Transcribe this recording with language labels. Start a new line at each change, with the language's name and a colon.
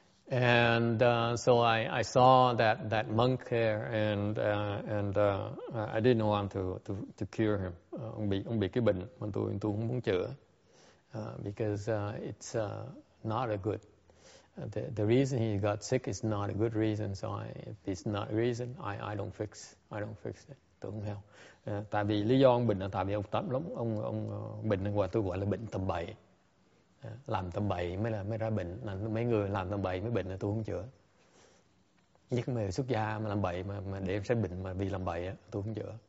English: So I saw that monk there, and I didn't want to cure him.
Vietnamese: Ông bị cái bệnh mà tôi không muốn chữa,
English: because it's not a good. The reason he got sick is not a good reason. So if it's not a reason, I don't fix it.
Vietnamese: Tôi không help. Tại vì lý do ông bệnh là tại vì ông tâm lắm. Ông bệnh nên tôi gọi là bệnh tâm bậy. Làm tâm bậy mới ra bệnh. Mấy người làm tâm bậy mới bệnh là tôi không chữa. Nhất mà xuất gia mà làm bậy mà để sẽ bệnh mà vì làm bậy tôi không chữa.